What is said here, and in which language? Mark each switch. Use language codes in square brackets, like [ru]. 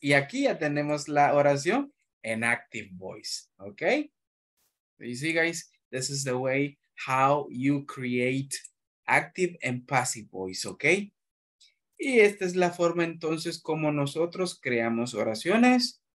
[es] Y aquí ya tenemos la oración en active voice. [en] Okay? So you see, guys, this is the way how you create active and passive voice. Okay? [es] Y esta es la forma entonces como nosotros creamos oraciones.